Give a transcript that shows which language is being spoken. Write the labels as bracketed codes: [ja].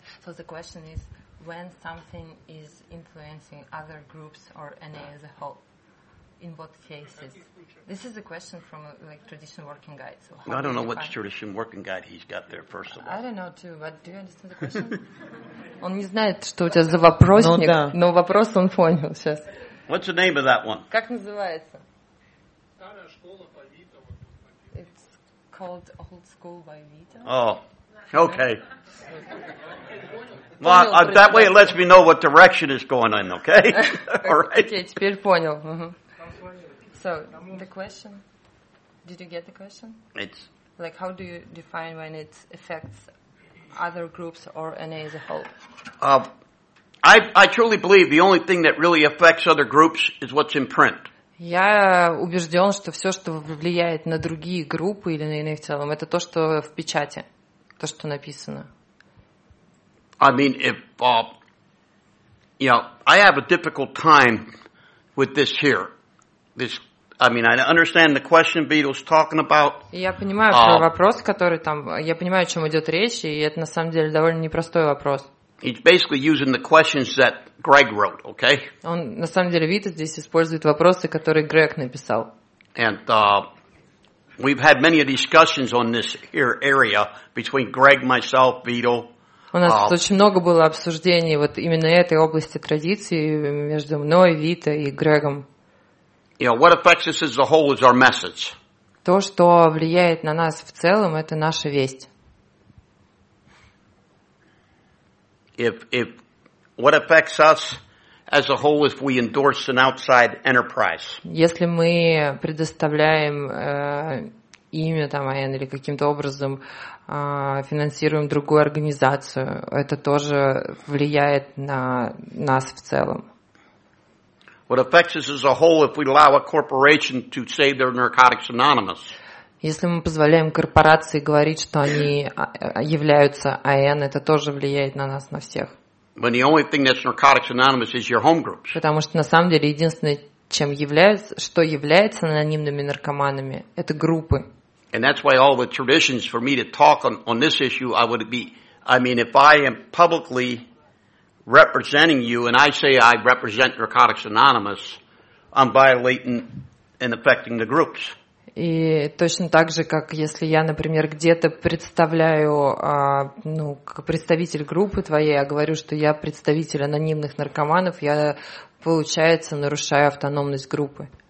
[en] So the question is, when something is influencing other groups or NA as a whole, in what cases? This is a question from a, like tradition working guide. So I don't know what tradition working guide he's got there, first of all. I don't know too, but do you understand the question? [ru] Он не знает, что у тебя за вопросник, но вопрос он понял сейчас. [en] What's the name of that one? [ru] Как называется? [en] Called Old School by Vita. Oh, okay. Well, that way it lets me know what direction is going in, okay? All right. Okay, [ru] теперь понял. [en] So, the question, did you get the question? It's like, how do you define when it affects other groups or NA as a whole? I truly believe the only thing that really affects other groups is what's in print. [ru] Я убежден, что все, что влияет на другие группы или на иные в целом, это то, что в печати, то, что написано. [en] I mean, if, you know, I have a difficult time with this here. This, I mean, I understand the question Beatles talking about. [ru] Я понимаю, что вопрос, который там, я понимаю, о чем идет речь, и это на самом деле довольно непростой вопрос. [en] He's basically using the questions that Greg wrote, okay? [ru] Он на самом деле Вита здесь использует вопросы, которые Грег написал. [en] And we've had many discussions on this here area between Greg, myself, Vito. [ru] У нас очень много было обсуждений вот именно этой области традиции между мной, Вита и Грегом. [en] You know, what affects us as a whole is our message. [ru] То, что влияет на нас в целом, это наша весть. [en] If what affects us as a whole if we endorse an outside enterprise. [ru] Если мы предоставляем имя там АН или каким-то образом финансируем другую организацию, это тоже влияет на нас в целом. [en] What affects us as a whole if we allow a corporation to say they're Narcotics Anonymous. [ru] Если мы позволяем корпорации говорить, что они являются АН, это тоже влияет на нас, на всех. [en] But the only thing that's Narcotics Anonymous is your home groups. [ru] Потому что на самом деле единственное, чем является, что является анонимными наркоманами, это группы. [en] And that's why all the traditions for me to talk on this issue, I would be, I mean, if I am publicly representing you and I say I represent Narcotics Anonymous, I'm violating and affecting the groups. [ru] И точно так же, как если я, например, где-то представляю ну, как представитель группы твоей, а говорю, что я представитель анонимных наркоманов, я, получается, нарушаю автономность группы.